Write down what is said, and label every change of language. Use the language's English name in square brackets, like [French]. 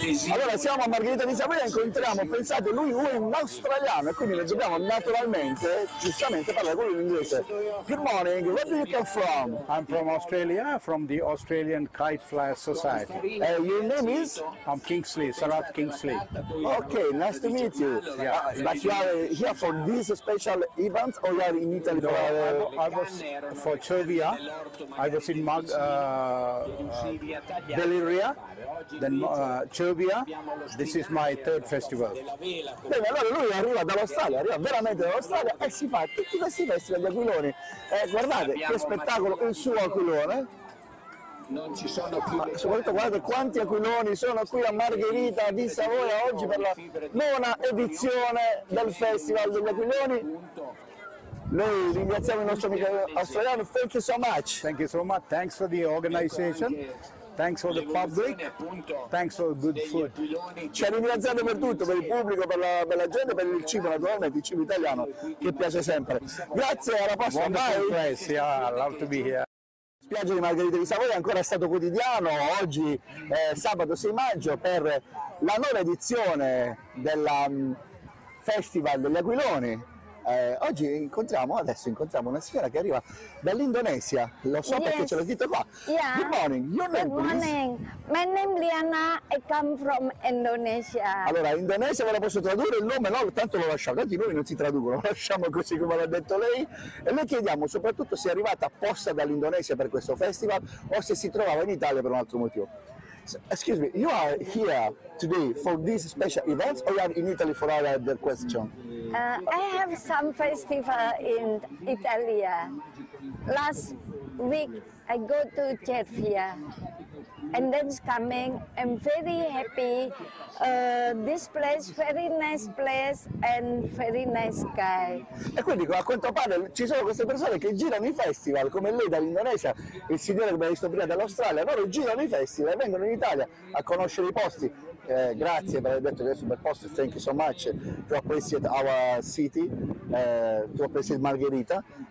[Italian] Allora siamo a Margherita di Savoia e incontriamo, pensate, lui è un australiano e quindi noi dobbiamo naturalmente, giustamente, parlare con lui in inglese. [English] Good morning, where do you come from? I'm from Australia, from the Australian Kite Flyer Society. Your name is? I'm Kingsley, Sarat Kingsley. Okay, nice to meet you. Yeah. But you are here for this special event or you are in Italy? No, I was for Cervia, I was in Deliria. Then Cervia, this is my third festival. [Italian] Bene, allora lui arriva dall'Australia, arriva veramente dall'Australia e si fa tutti questi festival di aquiloni. Guardate, che spettacolo, il suo aquilone. Non ci sono più. Ma soprattutto guardate quanti aquiloni sono qui a Margherita di Savoia oggi per la nona edizione del Festival degli Aquiloni. Noi ringraziamo il nostro amico australiano. [English] Thank you so much. Thank you so much. Thanks for the organization. Thanks for the public, thanks for good food. [Italian] Ci ha ringraziato per tutto, per il pubblico, per la gente, per il cibo naturalmente, il cibo italiano che piace sempre. Grazie, alla prossima. [English] Wonderful place, yeah, love to be here. [Italian] Spiaggia di Margherita di Savoia, ancora Stato Quotidiano, oggi è sabato 6 maggio per la nuova edizione del Festival degli Aquiloni. Oggi incontriamo una signora che arriva dall'Indonesia, lo so, [English] yes, [Italian] perché ce l'ho detto qua. [English] Yeah. Good morning, your name, good morning, please. My name Liana, I come from Indonesia. [Italian] Allora, Indonesia ve la posso tradurre il nome? No, tanto lo lasciamo, tanti nomi non si traducono, lo lasciamo così come l'ha detto lei. E le chiediamo soprattutto se è arrivata apposta dall'Indonesia per questo festival o se si trovava in Italia per un altro motivo. [English] Excuse me, you are here today for this special event or you are in Italy for other question? I have some festival in Italy. Last week I go to Cervia and then coming. I'm very happy. This place, very nice place and very nice guy. [Italian] E quindi a quanto pare ci sono queste persone che girano i festival, come lei dall'Indonesia, il signore che mi ha visto prima dall'Australia, loro girano i festival e vengono in Italia a conoscere i posti. Grazie per aver detto che è un bel posto. [English] Thank you so much to appreciate our city, to appreciate Margherita.